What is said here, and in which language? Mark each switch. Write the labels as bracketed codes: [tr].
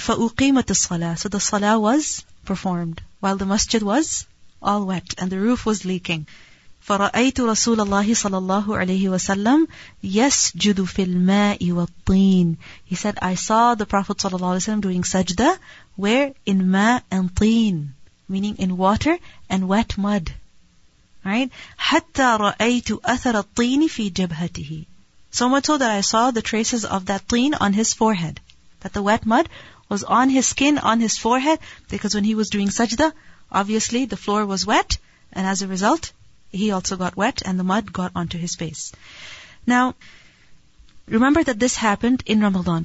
[ar] فَأُقِيمَتِ الصَّلَاةِ, [en] so the salah was performed while the masjid was all wet and the roof was leaking. [ar] فَرَأَيْتُ رَسُولَ اللَّهِ صَلَى اللَّهُ عَلَيْهِ وَسَلَّمْ يَسْجُدُ فِي الْمَاءِ وَالطِّينِ. [en] He said, I saw the Prophet ﷺ doing sajda, where? In ma and teen, meaning in water and wet mud. Right? [ar] حَتَّى رَأَيْتُ أَثَرَ الطِّينِ فِي جَبْهَتِهِ. [en] So much so that I saw the traces of that teen on his forehead. That the wet mud was on his skin, on his forehead, because when he was doing sajda, obviously the floor was wet, and as a result, he also got wet and the mud got onto his face. Now, remember that this happened in Ramadan.